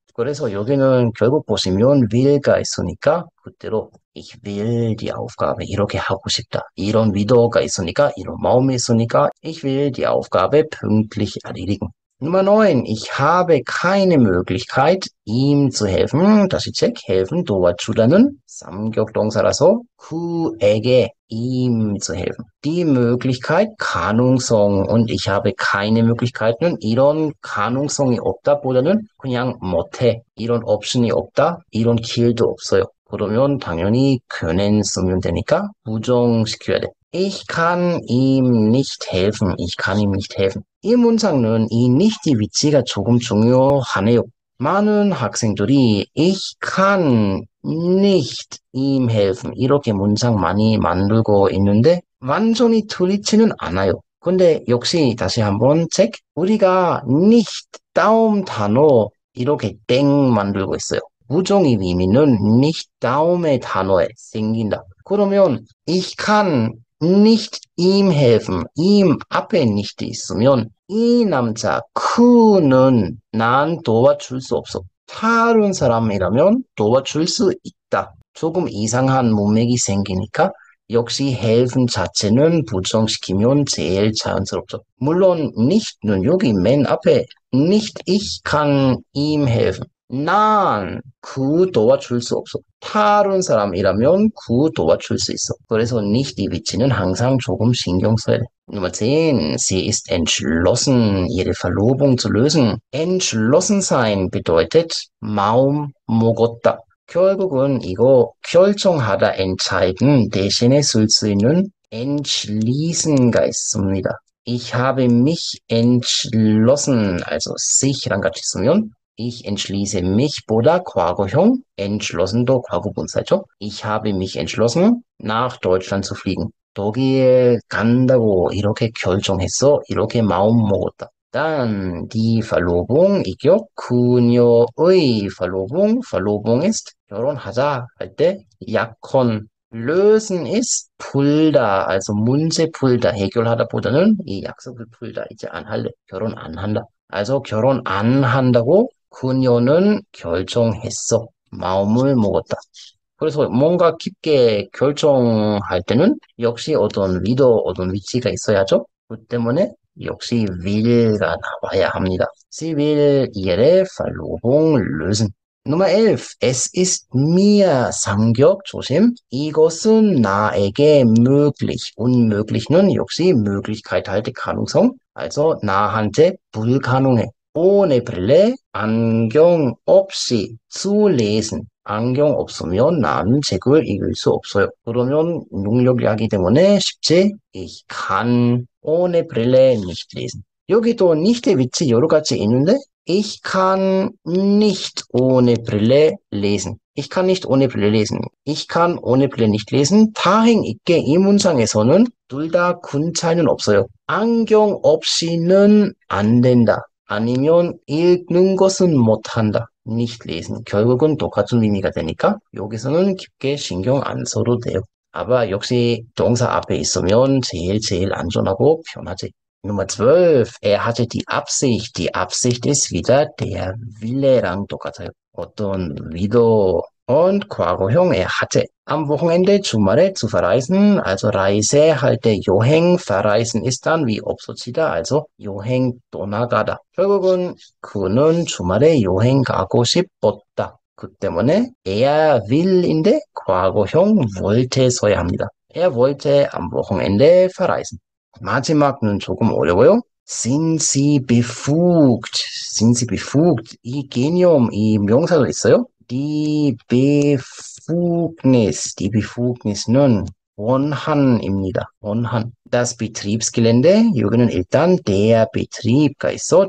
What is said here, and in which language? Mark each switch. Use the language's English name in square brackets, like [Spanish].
[Korean] 그래서 여기는 결국 보시면 will가 있으니까 그대로 [German] Ich will die Aufgabe [Korean] 이렇게 하고 싶다. 이런 의도가 있으니까, 이런 마음이 있으니까, [German] Ich will die Aufgabe pünktlich erledigen. Nummer 9. Ich habe keine Möglichkeit, ihm zu helfen. Das ist check. [Korean] Helfen, 도와주다는 삼격동사라서, 그에게 [German] ihm zu helfen. Die Möglichkeit, [Korean] 가능성. [German] Und ich habe keine Möglichkeiten. [Korean] 이런 가능성이 없다보다는 그냥 못해. 이런 옵션이 없다. 이런 길도 없어요. 그러면 당연히 können 쓰면 되니까 부정시켜야 돼. [German] Ich kann ihm nicht helfen. Ich kann ihm nicht helfen. [Korean] 이 문장은 이 nicht 위치가 조금 중요하네요. [German] 많은 학생들이 Ich kann nicht ihm helfen. [Korean] 이렇게 문장 많이 만들고 있는데 완전히 틀리지는 않아요. 근데 역시 다시 한번 check. 우리가 nicht 다음 단어 이렇게 땡 만들고 있어요. 부정의 의미는 nicht 다음의 단어에 생긴다. [German] 그러면 Ich kann nicht ihm helfen. [Korean] ihm 앞에 nicht 있으면 이 남자 그는 난 도와줄 수 없어. 다른 사람이라면 도와줄 수 있다. 조금 이상한 문맥이 생기니까 역시 helfen 자체는 부정시키면 제일 자연스럽죠. 물론 nicht는 여기 맨 앞에 [German] nicht ich kann ihm helfen. [Korean] 난그 도와줄 수 없어. 다른 사람이라면 그 도와줄 수 있어. 그래서 nicht 이 위치는 항상 조금 신경 써야 돼. [German] Nummer 10. Sie ist entschlossen, ihre Verlobung zu lösen. Entschlossen sein bedeutet Maum mogotta. [Korean] 결국은 이거 결정하다, entscheiden 대신에 쓸수 있는 entschließen가 있습니다. [German] Ich habe mich entschlossen, also sich랑 같이 쓰면 Ich entschließe mich, [Korean] 보다 과거형, [German] entschlossen도 [Korean] 과거분사죠. [German] Ich habe mich entschlossen, nach Deutschland zu fliegen. [Korean] 독일 간다고 이렇게 결정했어. 이렇게 마음 먹었다. [German] Dann die Verlobung, [Korean] 이겨. 그녀의 Verlobung, [German] Verlobung ist [Korean] 결혼하자 할 때, 약혼. [German] Lösen ist [Korean] 풀다, also 문제 풀다, 해결하다보다는 이 약속을 풀다, 이제 안 할래. 결혼 안 한다. Also 결혼 안 한다고 그녀는 결정했어. 마음을 먹었다. 그래서 뭔가 깊게 결정할 때는 역시 어떤 리더, 어떤 위치가 있어야죠. 그 때문에 역시 will가 나와야 합니다. [German] Sie will ihre Verlobung lösen. Nummer 11. Es ist mir [Korean] 삼격, 조심. 이것은 나에게 möglich. Unmöglich는 역시 Möglichkeit 할때 가능성. Also 나한테 불가능해. [German] Ohne Brille, [Korean] 안경 없이 [German] zu lesen. [Korean] 안경 없으면 나는 책을 읽을 수 없어요. 그러면 능력 이야기 때문에 쉽지? [German] Ich kann ohne Brille nicht lesen. [Korean] 여기도 nicht의 위치 여러 가지 있는데, [German] Ich kann nicht ohne Brille lesen. Ich kann nicht ohne Brille lesen. Ich kann ohne Brille nicht lesen. [Korean] 다행히 이 문장에서는 둘다군 차이는 없어요. 안경 없이는 안 된다. 아니면 읽는 것은 못한다. Nicht lesen. 결국은 똑같은 의미가 되니까 여기서는 깊게 신경 안 써도 돼요. 아바 역시 동사 앞에 있으면 제일 제일 안전하고 편하지. [German] Nummer 12. Er hatte die Absicht. Die Absicht ist wieder der Wille랑 [Korean] 똑같아요. 어떤 의도, [German] Und Quago형, er hatte am Wochenende Zumale zu verreisen. Also Reise halt der Joheng. Verreisen ist dann wie Obsozida, also Joheng Donagada. [Korean] 결국은 그는 주말에 여행 가고 싶었다. 그 때문에 er will인데 과거형 wollte 써야 합니다. [German] Er wollte am Wochenende verreisen. [Korean] 마지막은 조금 어려워요. [German] Sind Sie befugt? Sind Sie befugt? [Korean] 이 개념, 이 명사도 있어요. Die Befugnis는 원한입니다. 원한. Das Betriebsgelände, 여기는 일단 der Betrieb가 있어.